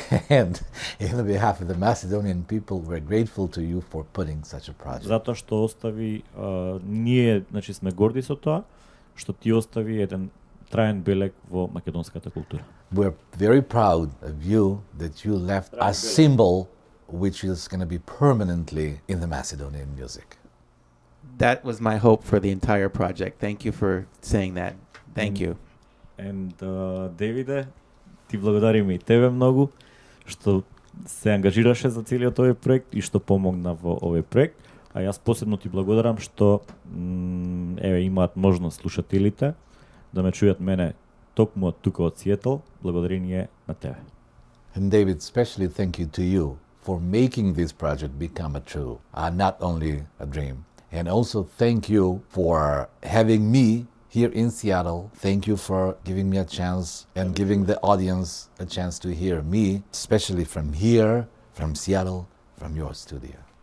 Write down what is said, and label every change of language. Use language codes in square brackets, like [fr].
[en] And in the behalf of the Macedonian people, we're grateful to you for putting such a project. [mk] Затоа што остави, ние, значи, сме горди со тоа, што ти остави еден траен белег во македонската култура. [en] We're very proud of you that you left a symbol which is going to be permanently in the Macedonian music. That was my hope for the entire project. Thank you for saying that. Thank you. [mk] And Davide, ти благодарим и тебе многу што се ангажираше за целиот овој проект и што помогна во овој проект, а јас посебно ти благодарам што еве имаат можност слушателите да ме чујат мене токму тука од Сиетл, благодарение на тебе. [en] And David, especially thank you to you for making this project become a true, not only a dream. And also thank you for having me here in Seattle. Thank you for giving me a chance and giving the audience a chance to hear me, especially from here, from Seattle, from your studio.